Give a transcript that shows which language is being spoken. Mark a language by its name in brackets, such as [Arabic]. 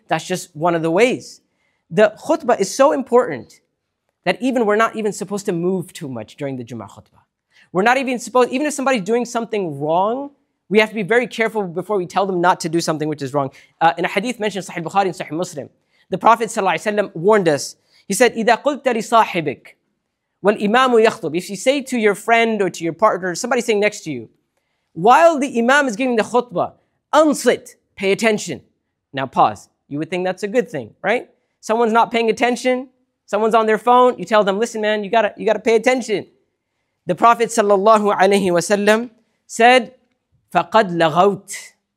[English] That's just one of the ways. The khutbah is so important that even we're not even supposed to move too much during the Jummah khutbah. We're not even supposed, even if somebody's doing something wrong, we have to be very careful before we tell them not to do something which is wrong. In a hadith mentioned Sahih Bukhari and Sahih Muslim, the Prophet ﷺ warned us. He said, [Arabic] إِذَا قُلْتَ لِصَاحِبِكَ وَالْإِمَامُ يَخْطُبُ. [English] If you say to your friend or to your partner, somebody sitting next to you, while the imam is giving the khutbah, unsit, pay attention. Now pause. You would think that's a good thing, right? Someone's not paying attention. Someone's on their phone. You tell them, listen, man, you gotta pay attention. The Prophet ﷺ said, [Arabic] فَقَدْ لَغَوْتَ.